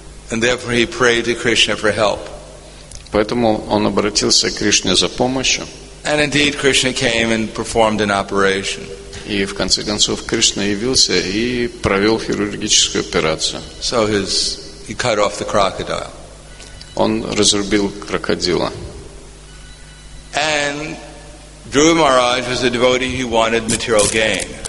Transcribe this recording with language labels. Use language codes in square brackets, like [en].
[en] And therefore he prayed to Krishna for help. [ru] Поэтому он обратился к Кришне за помощью. [en] And indeed, Krishna came and performed an operation. [ru] И в конце концов Кришна явился и провел хирургическую операцию. [en] So he cut off the crocodile. [ru] Он разрубил крокодила. [en] And Dhruva Maharaj was a devotee who wanted material gain.